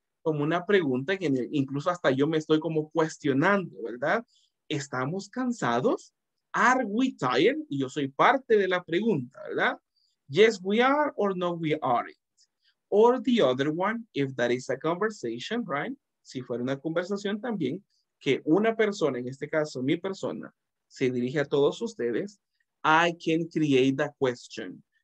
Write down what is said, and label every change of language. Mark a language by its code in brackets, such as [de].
[es] Como una pregunta que incluso hasta yo me estoy como cuestionando, ¿verdad? ¿Estamos cansados? Are we tired? Y yo soy parte de la pregunta, ¿verdad? [en] Yes, we are or no, we aren't. Or the other one, if that is a conversation, right? [es] Si fuera una conversación también, que una persona, en este caso mi persona, se dirige a todos ustedes, I can create a question.